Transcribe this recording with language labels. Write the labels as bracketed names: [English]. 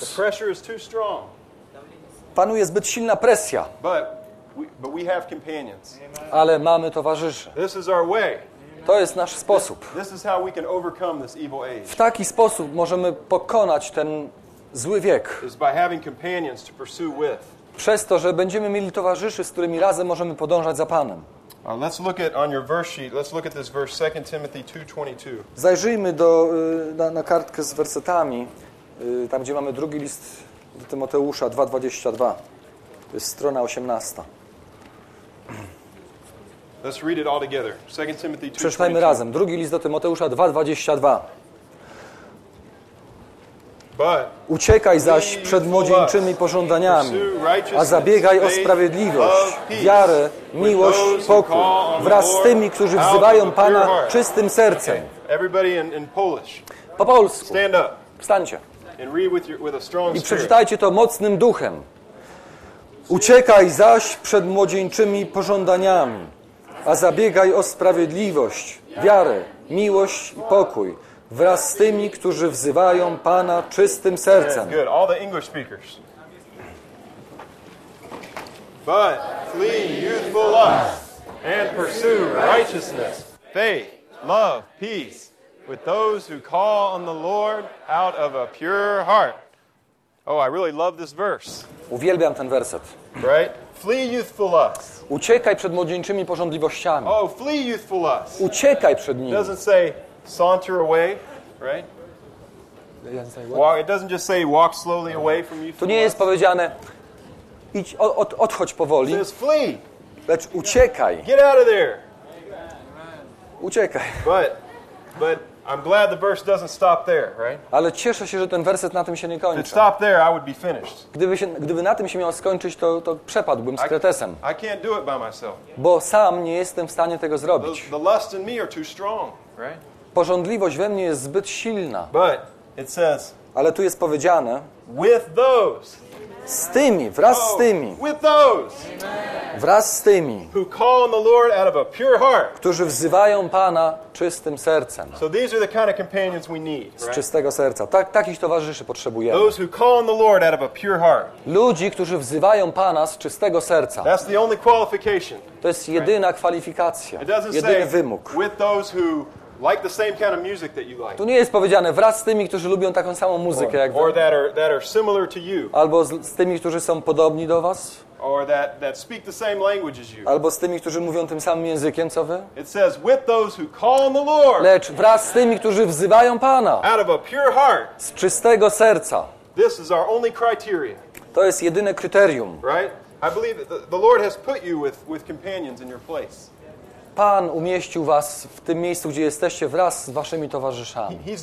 [English] The pressure is too strong. [Polish] Panuje zbyt silna presja. [English] But we have companions. [Polish] Ale mamy towarzyszy. [English] This is our way. [Polish] To jest nasz sposób. [English] This is how we can overcome this evil age. [Polish] W taki sposób możemy pokonać ten zły wiek. [English] Is by having companions to pursue with. [Polish] Przez to, że będziemy mieli towarzyszy, z którymi razem możemy podążać za Panem. [English] Let's look at on your verse sheet. Let's look at this verse 2 Timothy 2:22. [Polish] Zajrzyjmy do na kartkę z wersetami, tam gdzie mamy drugi list do Tymoteusza 2:22. To jest strona 18. [English] Let's read it all together. 2 Timothy 2:22. [Polish] Przeczytajmy razem. Drugi list do Tymoteusza 2:22. [English] But [Polish] uciekaj zaś przed młodzieńczymi pożądaniami, a zabiegaj o sprawiedliwość, wiarę, miłość, pokój wraz z tymi, którzy wzywają Pana czystym sercem. [English] Everybody in Polish. [Polish] Po polsku. [English] Stand up. [Polish] Wstańcie. [English] And read with a strong spirit. [Polish] I przeczytajcie to mocnym duchem. Uciekaj zaś przed młodzieńczymi pożądaniami, a zabiegaj o sprawiedliwość, wiarę, miłość i pokój wraz z tymi, którzy wzywają Pana czystym sercem. [English] Good. All the English speakers. But flee youthful lusts and pursue righteousness, faith, love, peace with those who call on the Lord out of a pure heart. Oh, I really love this verse. [Polish] Uwielbiam ten werset. [English] Right? Flee youthful lusts. [Polish] Uciekaj przed młodzieńczymi pożądliwościami. [English] Oh, flee youthful lusts. [Polish] Uciekaj przed nimi. [English] Doesn't say saunter away, right? It doesn't just say walk slowly away from you. [Polish] To nie jest powiedziane idź, odchodź powoli. [English] It says flee. [Polish] Lecz uciekaj. [English] Get out of there. [Polish] Uciekaj. [English] But I'm glad the verse doesn't stop there, right? [Polish] Ale cieszę się, że ten werset na tym się nie kończy. [English] If it stopped there, I would be finished. [Polish] Gdyby na tym się miało skończyć, to przepadłbym z Kretesem. [English] I can't do it by myself. [Polish] Bo sam nie jestem w stanie tego zrobić. [English] The lust in me are too strong, right? [Polish] Pożądliwość we mnie jest zbyt silna. [English] But it says, [Polish] ale tu jest powiedziane [English] with those, [Polish] z tymi, wraz z tymi, [English] with those, [Polish] wraz z tymi, [English] who call on the Lord out of a pure heart, [Polish] którzy wzywają Pana czystym sercem. [English] So these are the kind of companions we need, [Polish] z czystego serca. Tak, takich towarzyszy potrzebujemy. [English] Those who call on the Lord out of a pure heart. [Polish] Ludzi, którzy wzywają Pana z czystego serca. [English] That's the only qualification. [Polish] To jest jedyna kwalifikacja, jedyny wymóg. [English] With those who like the same kind of music that you like. [Polish] Tu nie jest powiedziane wraz z tymi, którzy lubią taką samą muzykę jak wy. [English] Or that are similar to you. [Polish] Albo z tymi, którzy są podobni do was. [English] Or that speak the same language as you. [Polish] Albo z tymi, którzy mówią tym samym językiem co wy. [English] It says with those who call on the Lord. [Polish] Lecz wraz z tymi, którzy wzywają Pana. [English] Out of a pure heart. [Polish] Z czystego serca. [English] This is our only criteria. [Polish] To jest jedyne kryterium. [English] Right? I believe the Lord has put you with companions in your place. [Polish] Pan umieścił was w tym miejscu, gdzie jesteście wraz z waszymi towarzyszami.